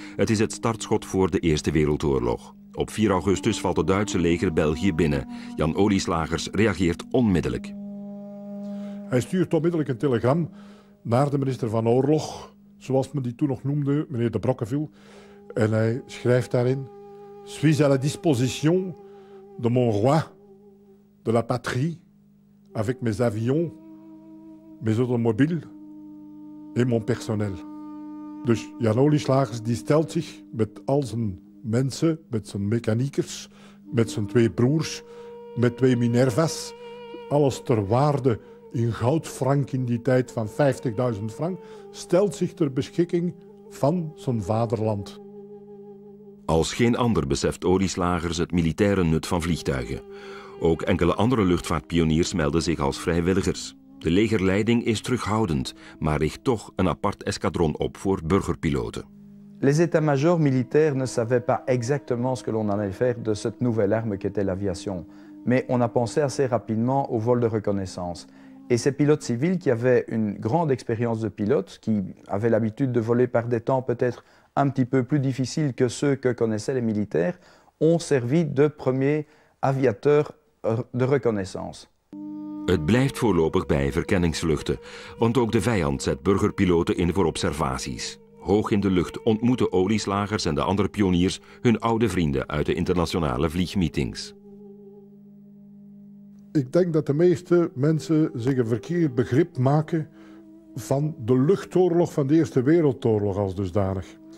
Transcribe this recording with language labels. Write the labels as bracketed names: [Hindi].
[Dutch] Het is het startschot voor de Eerste Wereldoorlog. Op 4 augustus valt het Duitse leger België binnen. Jan Olieslagers reageert onmiddellijk. Hij stuurt onmiddellijk een telegram naar de minister van Oorlog, zoals men die toen nog noemde, meneer de Brockeville. En hij schrijft daarin: [French] suis à la disposition de mon roi, de la patrie, avec mes avions, mes automobiles et mon personnel. [Dutch] Dus Jan Olieslagers die stelt zich met al zijn mensen, met zijn mechaniekers, met zijn 2 broers, met 2 Minervas, alles ter waarde in goudfrank in die tijd van 50.000 frank, stelt zich ter beschikking van zijn vaderland. Als geen ander beseft Olieslagers het militaire nut van vliegtuigen. Ook enkele andere luchtvaartpioniers melden zich als vrijwilligers. De legerleiding is terughoudend, maar richt toch een apart escadron op voor burgerpiloten. [French] Les états-majors militaires ne savaient pas exactement ce que l'on allait faire de cette nouvelle arme qu'était l'aviation. Mais on a pensé assez rapidement au vol de reconnaissance. Et ces pilotes civils qui avaient une grande expérience de pilote, qui avaient l'habitude de voler par des temps peut-être un petit peu plus difficiles que ceux que connaissaient les militaires, ont servi de premiers aviateurs de reconnaissance. [Dutch] Het blijft voorlopig bij verkenningsvluchten, want ook de vijand zet burgerpiloten in voor observaties. Hoog in de lucht ontmoeten Olieslagers en de andere pioniers hun oude vrienden uit de internationale vliegmeetings. Ik denk dat de meeste mensen zich een verkeerd begrip maken van de luchtoorlog van de Eerste Wereldoorlog als dusdanig.